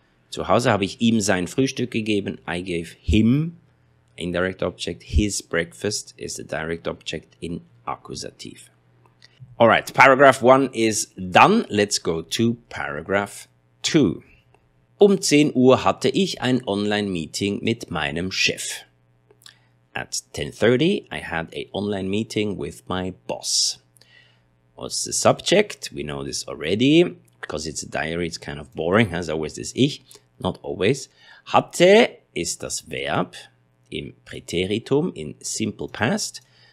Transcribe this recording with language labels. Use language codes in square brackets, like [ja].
[de] Zu Hause habe ich ihm sein Frühstück gegeben. [en] I gave him, indirect object. His breakfast is the direct object in accusative. Alright, paragraph 1 is done. Let's go to paragraph 2. [de] Um 10 Uhr hatte ich ein Online-Meeting mit meinem Chef. [en] At 10:30, I had an online meeting with my boss. What's the subject? We know this already. Because it's a diary, it's kind of boring. As always, this ich. Not always. [de] Hatte ist das Verb im Präteritum, [en] in simple past.